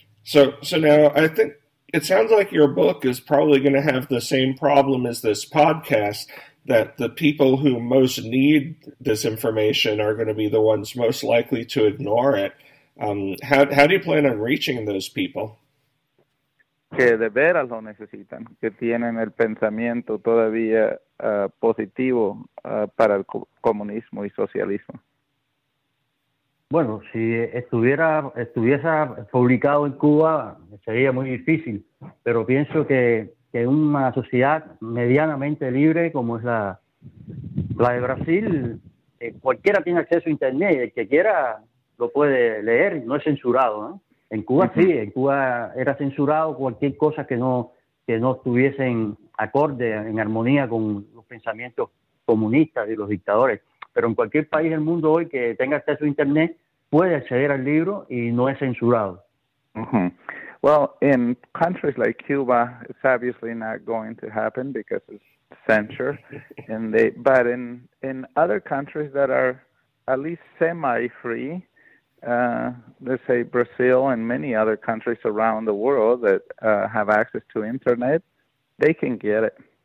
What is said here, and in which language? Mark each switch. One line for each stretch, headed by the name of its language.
English: So now I think it sounds like your book is probably going to have the same problem as this podcast, that the people who most need this information are going to be the ones most likely to ignore it. How do you plan on reaching those people?
Spanish: Que de veras lo necesitan, que tienen el pensamiento todavía positivo para el comunismo y socialismo. Bueno, si estuviera publicado en Cuba, sería muy difícil, pero pienso que una sociedad medianamente libre como es la de Brasil, cualquiera tiene acceso a Internet, el que quiera lo puede leer, no es censurado, ¿no? En Cuba sí, en Cuba era censurado cualquier cosa que no estuviese en acorde, en armonía con los pensamientos comunistas y los dictadores, pero en cualquier país del mundo hoy que tenga acceso a Internet, puede acceder al libro y no es censurado.
English: Well, in countries like Cuba, it's obviously not going to happen because it's censored. And they, but in other countries that are at least semi-free. Let's say Brazil and many other countries around the world that have access to internet, they can get it.